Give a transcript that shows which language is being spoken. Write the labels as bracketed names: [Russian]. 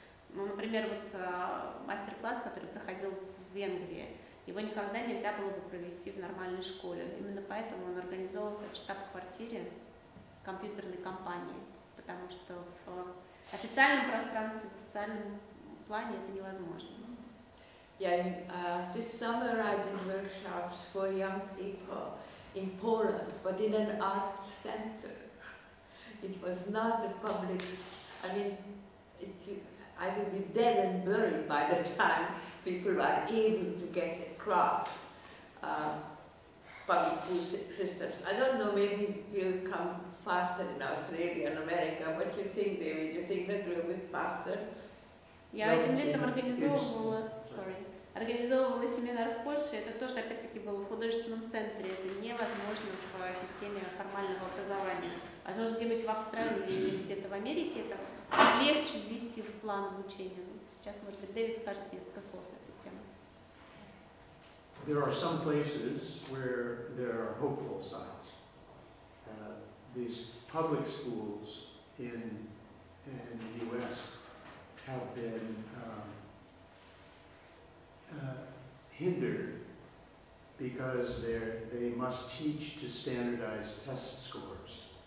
[Russian] Ну, например, вот мастер-класс, который проходил в Венгрии, его никогда нельзя было бы провести в нормальной школе. Именно поэтому он организовывался в штаб-квартире компьютерной компании, потому что в официальном пространстве, в официальном плане это невозможно. [English] Yeah, this summer I did workshops for young people in Poland, but in an art center. It was not the public, I would be dead and buried by the time people are able to get across public school systems. I don't know, maybe it will come faster in Australia and America. What do you think, David? You think that will be faster? Yeah, I didn't [Russian] Организовывала семинар в Польше, это тоже опять-таки было в художественном центре, это невозможно в системе формального образования. Возможно, где-нибудь в Австралии или где-то в Америке это легче ввести в план обучения. Сейчас, может быть, Дэвид скажет несколько слов на эту тему. [English] There are some places where there are hopeful signs. These public schools in the US have been hindered because they must teach to standardized test scores.